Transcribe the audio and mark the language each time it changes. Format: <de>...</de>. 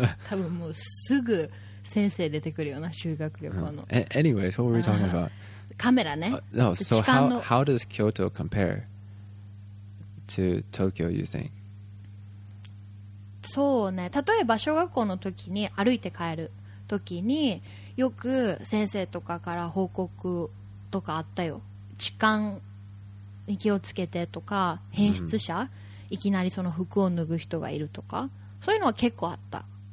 <ja>多分もうすぐ先生出てくるような修学旅行の。</ja> <en>Anyways, what were we talking about?</en> <ja>カメラね。</ja> <en>No, so how does Kyoto compare to Tokyo, you think?</en> <ja>そうね、例えば小学校の時に歩いて帰る時によく先生とかから報告とかあったよ。痴漢に気をつけてとか、変質者、うん、いきなりその服を脱ぐ人がいるとか、そういうのは結構あった。</ja>